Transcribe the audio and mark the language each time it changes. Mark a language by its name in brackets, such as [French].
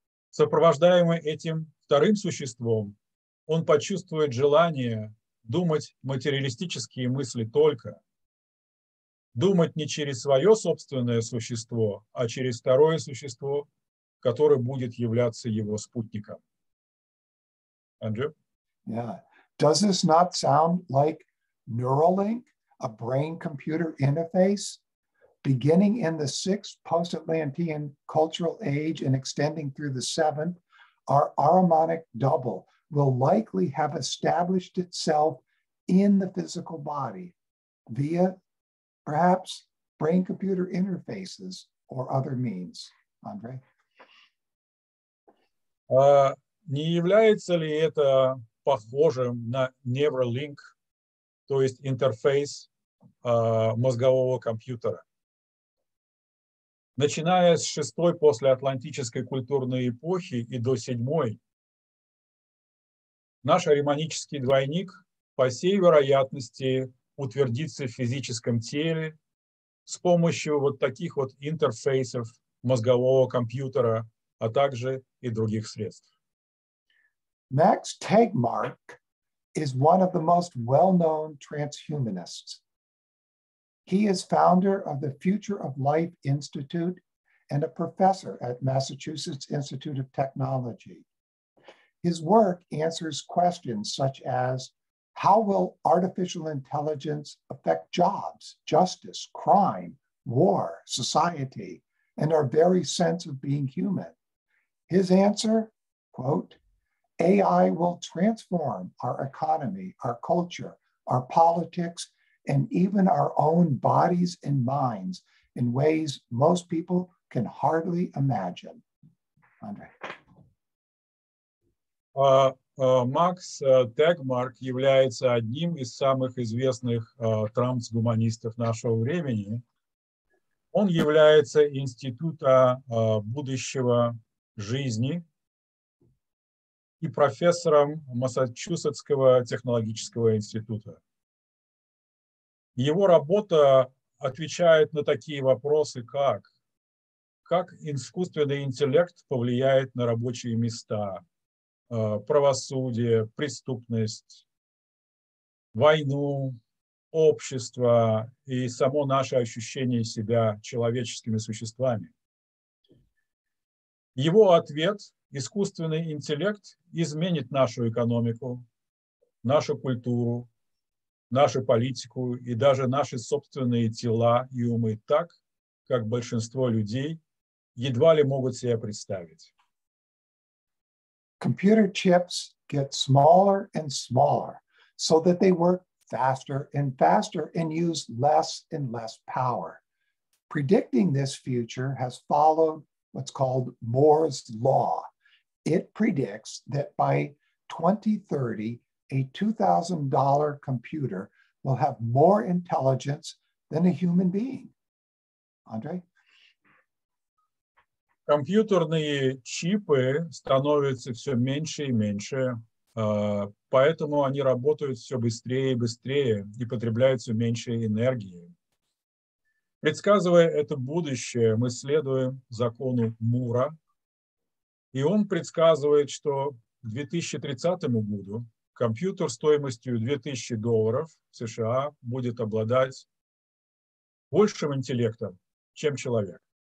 [Russian] Сопровождаемый этим вторым существом, он почувствует желание думать материалистические мысли только. Думать не через свое собственное существо, а через второе существо, которое будет являться его спутником. [English] Andrew? Yeah. Does this not sound like Neuralink, a brain-computer interface, beginning in the sixth post-Atlantean cultural age and extending through the seventh? Our Ahrimanic double will likely have established itself in the physical body via perhaps brain-computer interfaces or other means, Andre? [Russian] Не является ли это похожим на Neuralink, то есть интерфейс мозгового компьютера? Начиная с шестой послеатлантической культурной эпохи и до седьмой, наш ариманический двойник, по всей вероятности, утвердиться в физическом теле с помощью вот таких вот интерфейсов мозгового компьютера, а также и других средств. [English] Max Tegmark is one of the most well-known transhumanists. He is founder of the Future of Life Institute and a professor at Massachusetts Institute of Technology. His work answers questions such as, how will artificial intelligence affect jobs, justice, crime, war, society, and our very sense of being human? His answer, quote, AI will transform our economy, our culture, our politics, and even our own bodies and minds in ways most people can hardly imagine. Andre. [Russian] Макс Тегмарк является одним из самых известных трансгуманистов нашего времени. Он является института будущего жизни и профессором Массачусетского технологического института. Его работа отвечает на такие вопросы, как искусственный интеллект повлияет на рабочие места, правосудие, преступность, войну, общество и само наше ощущение себя человеческими существами. Его ответ – искусственный интеллект изменит нашу экономику, нашу культуру, нашу политику и даже наши собственные тела и умы так, как большинство людей едва ли могут себе представить. [English] Computer chips get smaller and smaller so that they work faster and use less and less power. Predicting this future has followed what's called Moore's Law. It predicts that by 2030, a $2,000 computer will have more intelligence than a human being. Andre? [Russian] Компьютерные чипы становятся все меньше и меньше, поэтому они работают все быстрее и быстрее и потребляют все меньше энергии. Предсказывая это будущее, мы следуем закону Мура, и он предсказывает, что к 2030 году компьютер стоимостью $2000 в США будет обладать большим интеллектом, чем человек.